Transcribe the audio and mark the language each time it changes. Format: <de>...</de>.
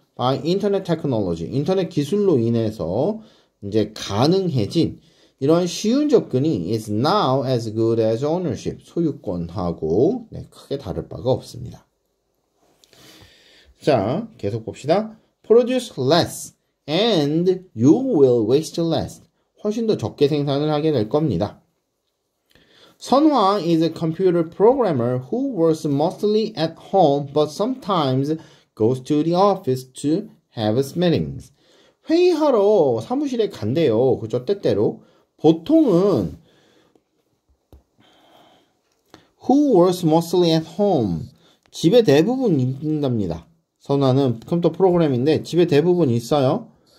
<en>by internet technology</en> <ko>인터넷 기술로 인해서 이제 가능해진 이런 쉬운 접근이</ko> <en>is now as good as ownership</en> <ko>소유권하고 네, 크게 다를 바가 없습니다. 자, 계속 봅시다.</ko> <en>Produce less and you will waste less.</en> <ko>훨씬 더 적게 생산을 하게 될 겁니다.</ko> <en>Sun Hwang is a computer programmer who works mostly at home but sometimes goes to the office to have meetings.</en> <ko>회의하러 사무실에 간대요. 그죠? 때때로. 보통은</ko> <en>Who works mostly at home?</en> <ko>집에 대부분 있는답니다. 선호하는 컴퓨터 프로그램인데 집에 대부분 있어요.</ko>